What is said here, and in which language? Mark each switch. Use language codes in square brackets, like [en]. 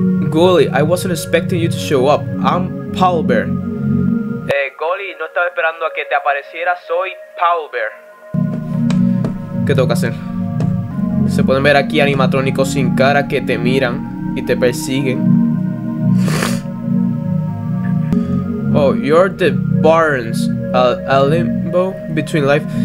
[en] Gully, I wasn't expecting you to show up. I'm Paul Bear. [es] Goli, no estaba esperando a que te apareciera. Soy Paul Bear. ¿Qué tengo que hacer? Se pueden ver aquí animatrónicos sin cara que te miran y te persiguen. [en] Oh, you're the Barrens, a limbo between life.